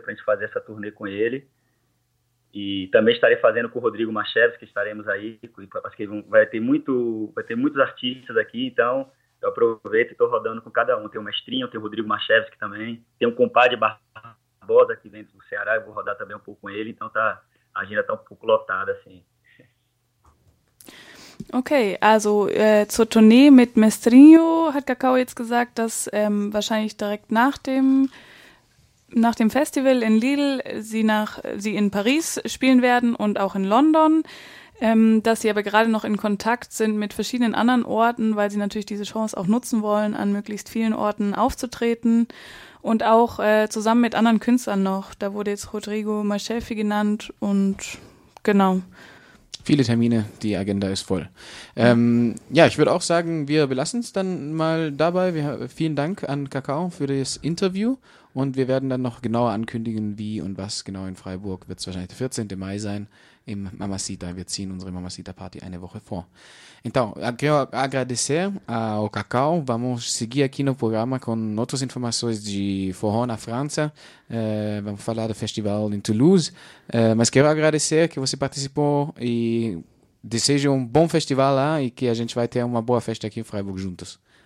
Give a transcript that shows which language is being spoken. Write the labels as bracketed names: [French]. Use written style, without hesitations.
[Portuguese] Para a gente fazer essa turnê com ele. E também estarei fazendo com o Rodrigo Machevski, que estaremos aí, porque vai ter muitos artistas aqui, então... Eu aproveito e estou rodando com cada um. Tem o Mestrinho, tem o Rodrigo Machevski também. Tem um compadre Barbosa aqui dentro do Ceará. Eu vou rodar também um pouco com ele. Então a agenda está um pouco lotada, assim. [German] Okay, also zur Tournee mit Mestrinho hat Kakao jetzt gesagt, dass wahrscheinlich direkt nach dem Festival in Lille sie in Paris spielen werden und auch in London. Dass sie aber gerade noch in Kontakt sind mit verschiedenen anderen Orten, weil sie natürlich diese Chance auch nutzen wollen, an möglichst vielen Orten aufzutreten und auch zusammen mit anderen Künstlern noch. Da wurde jetzt Rodrigo Machevski genannt und genau. Viele Termine, die Agenda ist voll. Ja, ich würde auch sagen, wir belassen es dann mal dabei. Vielen Dank an Kakao für das Interview und wir werden dann noch genauer ankündigen, wie und was genau in Freiburg. Wird es wahrscheinlich der 14. Mai sein. Im Mamacita, wir ziehen unsere Mamacita-Party eine Woche vor. [Portuguese] Então, quero agradecer ao Cacau, vamos seguir aqui no programa com outras informações de forró na França, vamos falar do festival em Toulouse, mas quero agradecer que você participou e desejo um bom festival lá e que a gente vai ter uma boa festa aqui em Freiburg juntos.